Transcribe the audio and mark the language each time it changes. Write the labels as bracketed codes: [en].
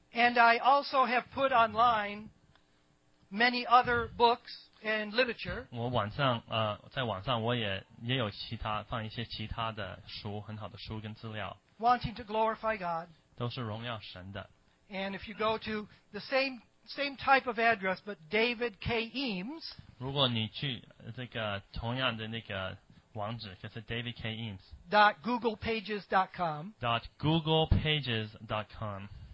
[en] And I also have put online many other books and literature [zh] 我网上在网上我也有其他放一些其他的书很好的书跟资料 [en] Wanting to glorify God. [zh] 都是荣耀神的。 [en] And if you go to the same type of address, but David K. Eames. [zh] 如果你去这个同样的那个网址，就是 David K. Eames. [en] Dot GooglePages.com. Dot GooglePages.com.